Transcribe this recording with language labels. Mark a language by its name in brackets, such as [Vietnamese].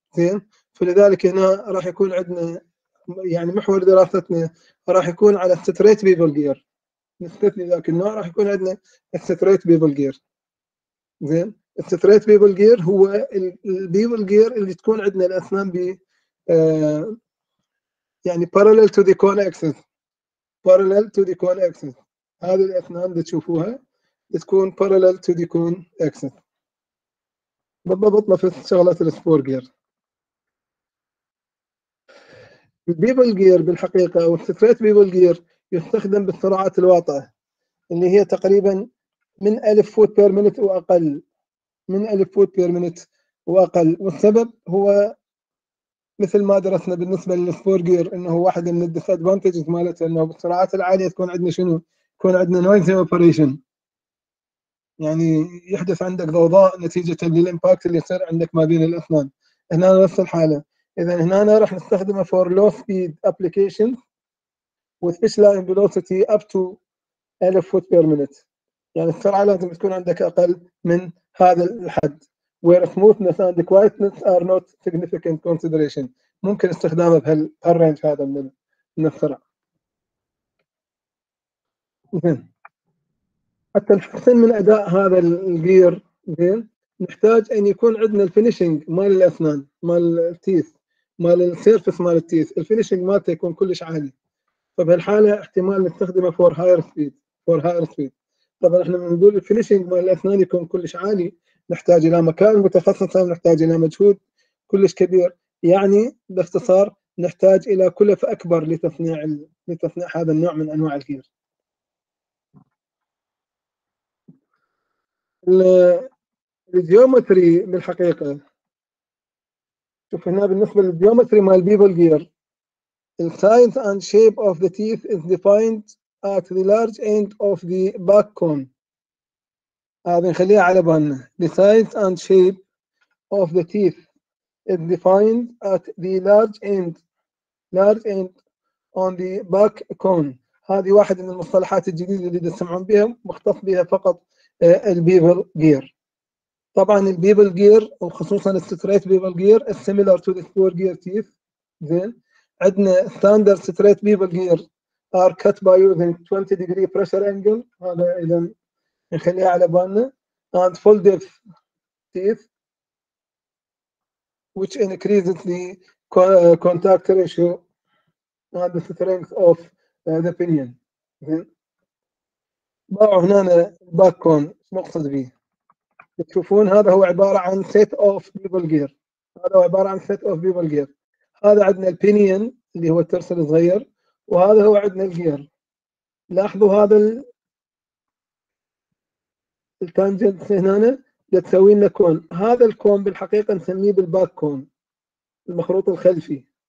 [Arabic] زين، فلذلك هنا راح يكون عندنا يعني محور دراستنا راح يكون على الستريت بيبل جير، نستثني ذاك النوع، راح يكون عندنا الستريت بيبل جير. زين، الستريت بيبل جير هو البيبل جير اللي تكون عندنا الاسنان ب يعني [English] parallel to the cone axis. parallel to the cone axis [Arabic] هذه الاسنان اللي تشوفوها تكون [English] parallel to the cone axis. [Arabic] بضبطنا في شغلات السبور جير. البيبل جير بالحقيقة أو السفريت بيبل جير يستخدم بالسرعات الواطئة اللي هي تقريبا من 1000 فوت بير مينت وأقل، من 1000 فوت بير مينت وأقل. والسبب هو مثل ما درسنا بالنسبة للسبور جير، أنه واحد من الديس أدفانتجز مالته أنه بالسرعات العالية تكون عندنا شنو؟ يكون عندنا نويز أوبريشن، يعني يحدث عندك ضوضاء نتيجة للإمباكت اللي يصير عندك ما بين الأسنان. هنا نفس الحالة، إذا هنا راح نستخدمه [English] for low speed application with pitch line velocity up to 1000 foot per minute, [Arabic] يعني السرعة لازم تكون عندك أقل من هذا الحد. [English] Where smoothness and quietness are not significant consideration. [Arabic] ممكن استخدامه بهالرينج هذا من السرعة. زين. حتى نحسن من أداء هذا الجير زين، نحتاج أن يكون عندنا الفينيشنج مال الأسنان، مال التيث، مال السيرفس مال التيث، الفينيشنج مالته يكون كلش عالي. فبهالحالة احتمال نستخدمه فور هاير سبيد، فور هاير سبيد. طبعا احنا لما نقول الفينيشنج مال الأسنان يكون كلش عالي، نحتاج إلى مكان متخصص، نحتاج إلى مجهود كلش كبير، يعني باختصار نحتاج إلى كلفة أكبر لتصنيع هذا النوع من أنواع الجير. الجيومتري بالحقيقة، شوف هنا بالنسبة للجيومتري مال بيبل جير، [English] السايز and shape of the teeth is defined at the large end of the back cone. [Arabic] هذا نخليها على بالنا، [English] the size and shape of the teeth is defined at the large end on the back cone. [Arabic] هذه واحدة من المصطلحات الجديدة اللي تسمعون بها مختص بها فقط البيبل جير. طبعا البيبل جير وخصوصا الستريت بيبل جير [English] is similar to the four gear teeth. [Arabic] زين، عندنا [English] standard straight bevel gear are cut by using 20 degree pressure angle. [Arabic] هذا اذا نخليها على بالنا. [English] And full depth teeth which increases the contact ratio and the strength of the pinion. [Arabic] باعوا هنا الباك كون، شو مقصد به؟ تشوفون هذا هو عبارة عن [English] set of bevel gear، [Arabic] هذا هو عبارة عن set of bevel gear. هذا عندنا البينيون اللي هو الترس الصغير، وهذا هو عندنا الجير. لاحظوا هذا التانجنت هنا تسوي لنا كون، هذا الكون بالحقيقة نسميه بالباك كون، المخروط الخلفي.